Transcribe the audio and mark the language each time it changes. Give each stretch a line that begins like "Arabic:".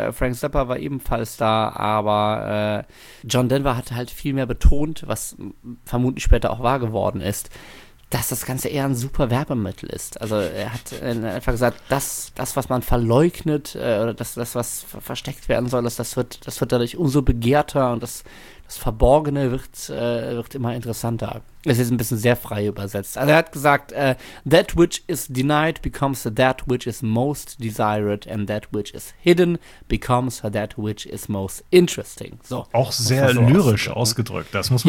German: Frank Zappa war ebenfalls da, aber John Denver hat halt viel mehr betont, was vermutlich später auch wahr geworden ist, dass das Ganze eher ein super Werbemittel ist. Also er hat einfach gesagt, das was man verleugnet oder das was versteckt werden soll, das wird dadurch umso begehrter und das Verborgene wird immer interessanter. Es ist ein bisschen sehr frei übersetzt.
English: Also er hat gesagt, that which is denied becomes that which is most desired and that which is hidden becomes that which is most interesting.
German: So. Auch sehr so lyrisch ausgedrückt, das muss man